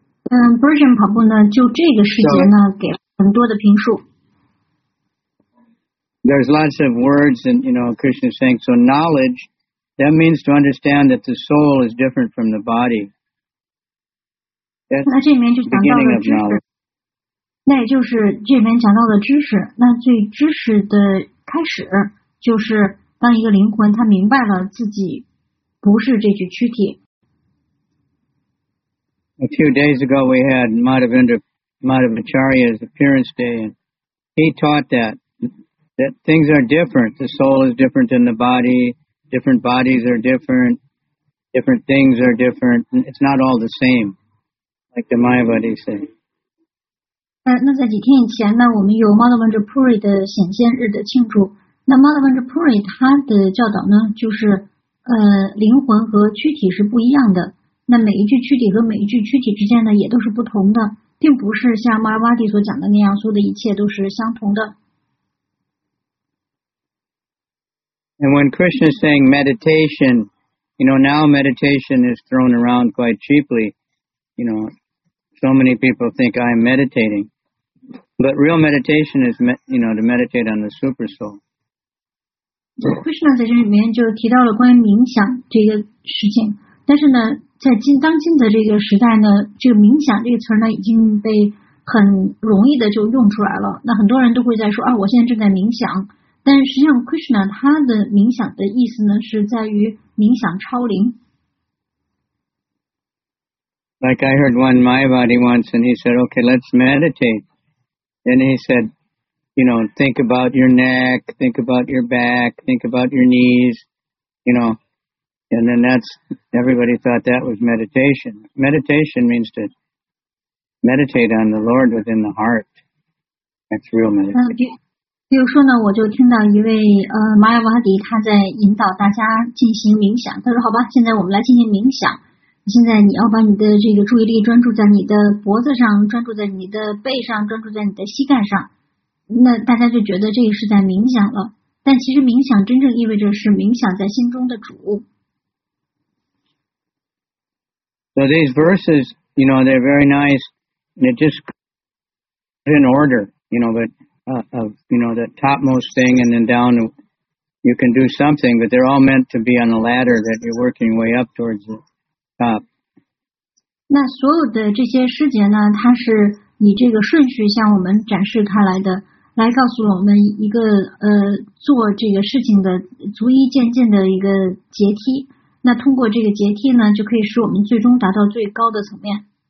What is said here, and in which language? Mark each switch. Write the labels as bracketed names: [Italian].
[Chinese] Bhurijan Prabhu 呢，就这个事件呢，给很多的评述。 [English] There's lots of words, and you know, Krishna is saying, so knowledge, that means to understand that the soul is different from the body. [Chinese] 那这里面就讲到了知识，那也就是这里面讲到的知识。那最知识的开始，就是当一个灵魂他明白了自己不是这具躯体。 [English] A few days ago, we had Madhavacharya's appearance day, and he taught that things are different. The soul is different than the body. Different bodies are different. Different things are different. It's not all the same. Like the Mayavadi said. [Chinese] 那在几天以前呢，我们有 Madhavendra Puri 的显现日的庆祝。那 Madhavendra Puri 他的教导呢，就是灵魂和躯体是不一样的。那每一具躯体和每一具躯体之间呢，也都是不同的。并不是像马尔瓦蒂所讲的那样，所有的一切都是相同的。 [English] And when Krishna is saying meditation, you know, now meditation is thrown around quite cheaply. You know, so many people think I'm meditating. But real meditation is, you know, to meditate on the super soul. [Chinese] Krishna 在这里面就提到了关于冥想这个事情。但是呢，在今当今的这个时代呢，这个冥想这个词呢已经被很容易的就用出来了。那很多人都会在说啊，我现在正在冥想。但实际上 ，Krishna 他的冥想的意思呢，是在于冥想超灵。 [English] Like I heard one Mayavadi once, and he said, "Okay, let's meditate." And he said, "You know, think about your neck, think about your back, think about your knees, you know." And then that's everybody thought that was meditation. Meditation means to meditate on the Lord within the heart. That's real meditation. Okay. [Chinese] 比如说呢，我就听到一位玛雅瓦迪他在引导大家进行冥想，他说好吧，现在我们来进行冥想，现在你要把你的这个注意力专注在你的脖子上，专注在你的背上，专注在你的膝盖上，那大家就觉得这个是在冥想了，但其实冥想真正意味着是冥想在心中的主。 [English] So these verses, you know, they're very nice, they're just in order, you know, butof, you know, the topmost thing and then down, you can do something, but they're all meant to be on a ladder that you're working way up towards the top. [Chinese] 那所有的这些师节呢，它是以这个顺序向我们展示开来的，来告诉我们一个做这个事情的逐一渐进的一个阶梯。那通过这个阶梯呢，就可以使我们最终达到最高的层面。